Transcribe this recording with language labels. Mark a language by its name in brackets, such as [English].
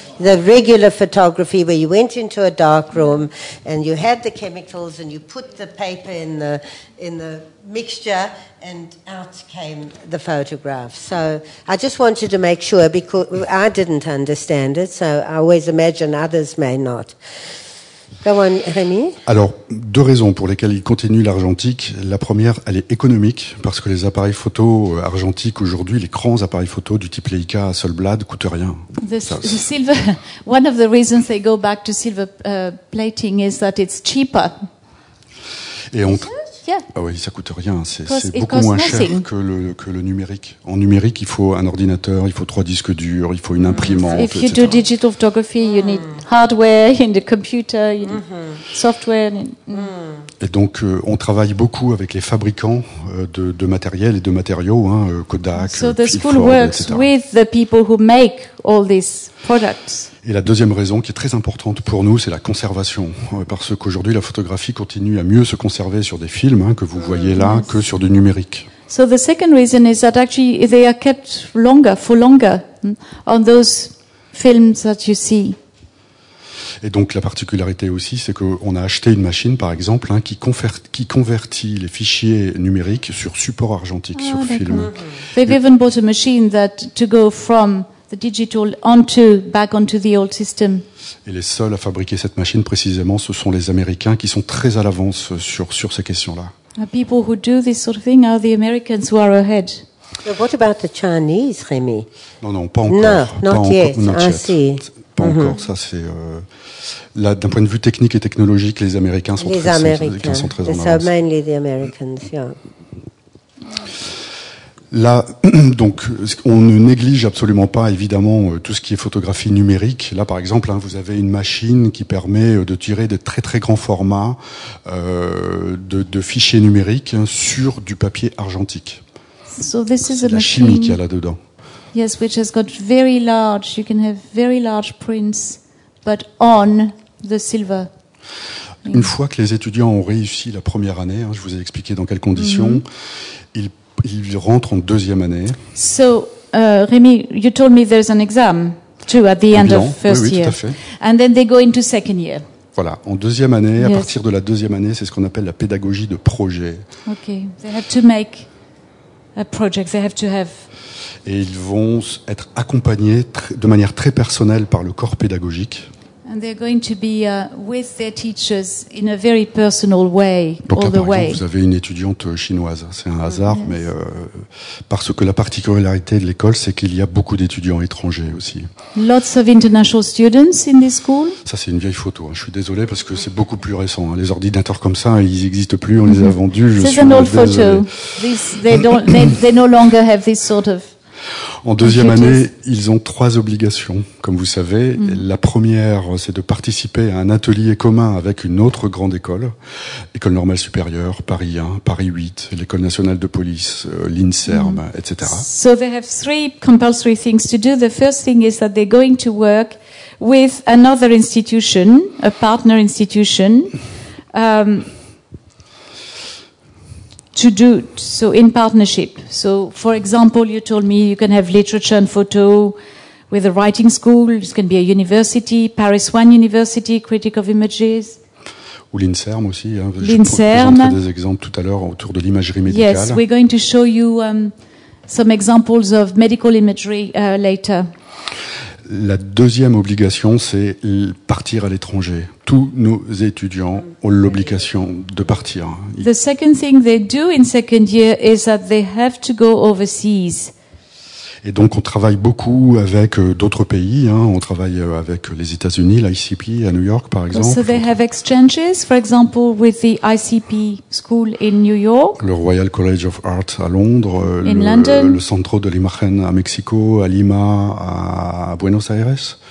[English] The regular photography where you went into a dark room and you had the chemicals and you put the paper in the mixture and out came the photograph. So I just wanted to make sure because I didn't understand it, so I always imagine others may not. Go on, Rémi. [French] Alors, deux raisons pour lesquelles il continue l'argentique. La première, elle est économique parce que les appareils photo argentiques aujourd'hui, les grands appareils photo du type Leica, Hasselblad, coûtent rien. [English] The silver. One of the reasons they go back to silver plating is that it's cheaper. [French] Et on. [English] Yeah. [French] Ah oui, ça coûte rien. C'est beaucoup moins [English] nothing. [French] Cher que le numérique. En numérique, il faut un ordinateur, il faut trois disques durs, il faut une imprimante. [English] If you do digital photography, you need hardware, you need a computer, you need software. [French] Et donc, on travaille beaucoup avec les fabricants de matériel et de matériaux, hein, Kodak, [English] so the school works with the people who make all these products. [French] Et la deuxième raison qui est très importante pour nous, c'est la conservation. Parce qu'aujourd'hui, la photographie continue à mieux se conserver sur des films, hein, que vous voyez là, que sur du numérique. [English] So the second reason is that actually they are kept longer, for longer, on those films that you see. [French] Et donc la particularité aussi, c'est qu'on a acheté une machine, par exemple, hein, qui convertit les fichiers numériques sur support argentique, sur film. [English] They've even bought a machine that to go from the digital onto back onto the old system. [French] Et les seuls à fabriquer cette machine précisément, ce sont les Américains qui sont très à l'avance sur ces questions-là. [English] The people who do this sort of thing are the Americans who are ahead. But what about the Chinese, Remy? [French] Non, pas encore. [English] Not yet. [French] Ça c'est là d'un point de vue technique et technologique, les Américains sont très en avance. [English] So mainly the Americans, [French] Là, donc, on ne néglige absolument pas, évidemment, tout ce qui est photographie numérique. Là, par exemple, hein, vous avez une machine qui permet de tirer de très très grands formats de fichiers numériques sur du papier argentique. [English] So this is [French] c'est [English] a [French] la chimie qu'il y a là-dedans. [English] Yes, which has got very large, you can have very large prints, but on the silver. [French] Une fois que les étudiants ont réussi la première année, hein, je vous ai expliqué dans quelles conditions, Il rentre en deuxième année. [English] So, Rémi, you told me there's an exam too at the end [French] bilan. [English] Of first [French] oui, [English] year. [French] Tout à fait. [English] And then they go into second year. [French] Voilà, en deuxième année, à partir de la deuxième année, c'est ce qu'on appelle la pédagogie de projet. [English] Okay, they have to make a project. They have to have. [French] Et ils vont être accompagnés de manière très personnelle par le corps pédagogique. [English] And they're going to be with their teachers in a very personal way, [French] donc là, [English] all the [French] par exemple, [English] way. [French] Vous avez une étudiante chinoise. C'est un hasard, mais parce que la particularité de l'école, c'est qu'il y a beaucoup d'étudiants étrangers aussi. [English] Lots of international students in this school. [French] Ça, c'est une vieille photo. Hein. Je suis désolé parce que c'est beaucoup plus récent. Hein. Les ordinateurs comme ça, ils n'existent plus. On les a vendus. C'est une [English] old photo. They no longer have this sort of. [French] En deuxième année, ils ont trois obligations, comme vous savez. La première, c'est de participer à un atelier commun avec une autre grande école, École Normale Supérieure, Paris 1, Paris 8, l'École Nationale de Police, l'INSERM, etc. [English] So they have three compulsory things to do. The first thing is that they're going to work with another institution, a partner institution, to do so in partnership. So, for example, you told me you can have literature and photo with a writing school. It can be a university, Paris One University, Critic of Images. [French] Ou l'INSERM aussi. Hein. L'INSERM. Je présenterai des exemples tout à l'heure autour de l'imagerie médicale. [English] Yes, we're going to show you some examples of medical imagery later. [French] La deuxième obligation, c'est partir à l'étranger. Tous nos étudiants ont l'obligation de partir. [English] The second thing they do in second year is that they have to go overseas. [French] Et donc, on travaille beaucoup avec d'autres pays. Hein. On travaille avec les États-Unis, l'ICP à New York, par exemple. [English] So they have exchanges, for example, with the ICP school in New York. [French] Le Royal College of Art à Londres. [English] In London. [French] Le Centro de la Imagen à Mexico, à Lima, à Buenos Aires.